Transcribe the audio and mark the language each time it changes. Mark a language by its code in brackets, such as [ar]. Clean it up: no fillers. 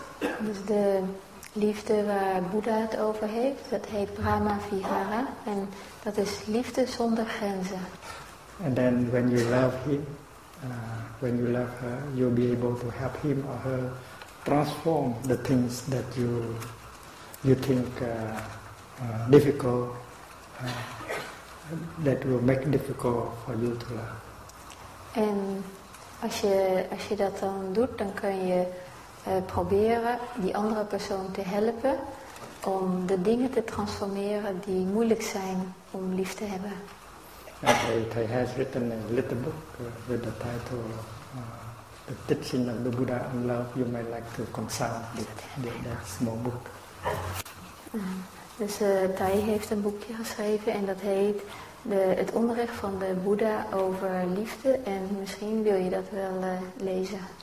[nl] Dus de liefde waar Buddha het over heeft, dat heet Brahma Vihara, en dat is liefde zonder grenzen. [en] And then when you love him, when you love her, you'll be able to help him or her transform the things that you think difficult, that will make it difficult for you to love. [nl] En als je dat dan doet, dan kun je proberen die andere persoon te helpen om de dingen te transformeren die moeilijk zijn om lief te hebben. [en] Hij has written a little book with the title The Teaching of the Buddha on Love. You might like to consult that small book. [nl] Dus Thay heeft een boekje geschreven en dat heet Het onderricht van de Boeddha over liefde. En misschien wil je dat wel lezen.